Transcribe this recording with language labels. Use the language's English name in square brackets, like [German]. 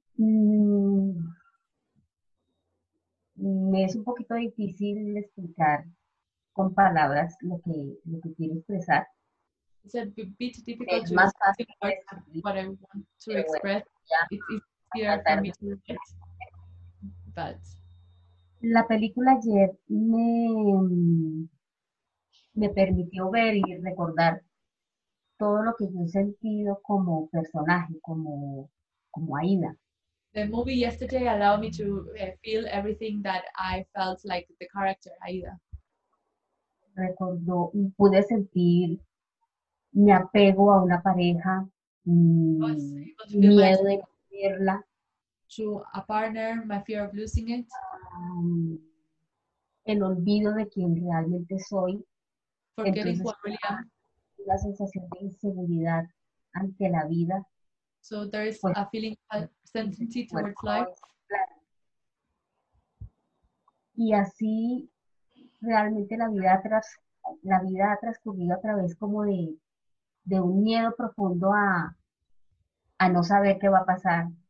[Spanish] Me es un poquito difícil explicar con palabras lo que quiero expresar. [English] It's a bit difficult to express what I want to express. Yeah. It's easier for me to express. But [Spanish] la película ayer me permitió ver y recordar todo lo que yo he sentido como personaje, como Aida. [English] The movie yesterday allowed me to feel everything that I felt like the character Aida. [Spanish] Recordó y pude sentir mi apego a una pareja, miedo de perderla. [English] To a partner, my fear of losing it. [Spanish] El olvido de quien realmente soy. [English] Forgetting what really am. [Spanish] La sensación de inseguridad ante la vida. [English] So there is a feeling of uncertainty towards life. [Spanish] Y así. Realmente la vida ha transcurrido a través como de un miedo profundo a no saber qué va a pasar.